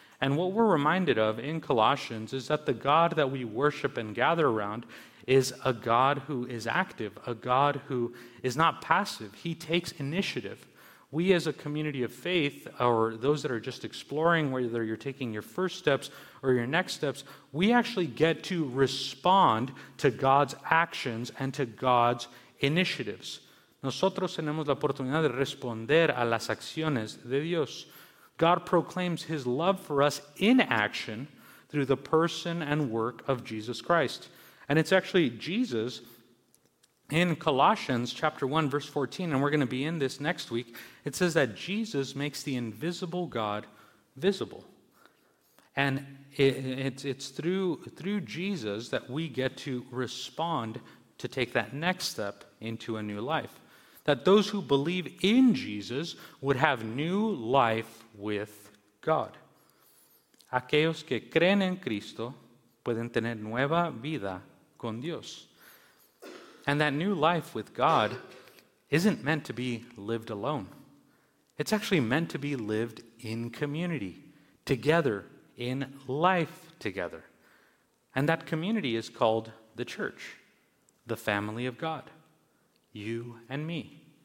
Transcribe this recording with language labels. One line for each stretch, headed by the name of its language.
English: And what we're reminded of in Colossians is that the God that we worship and gather around is a God who is active, a God who is not passive. He takes initiative. We as a community of faith, or those that are just exploring, whether you're taking your first steps or your next steps, we actually get to respond to God's actions and to God's initiatives.
Spanish: Nosotros tenemos la oportunidad de responder a las acciones de Dios.
English: God proclaims his love for us in action through the person and work of Jesus Christ. And it's actually Jesus in Colossians chapter 1, verse 14, and we're going to be in this next week. It says that Jesus makes the invisible God visible. And it's through Jesus that we get to respond to take that next step into a new life. That those who believe in Jesus would have new life with God.
Spanish: Aquellos que creen en Cristo pueden tener nueva vida con Dios.
English: And that new life with God isn't meant to be lived alone. It's actually meant to be lived in community, together, in life together. And that community is called the church, the family of God, you and me.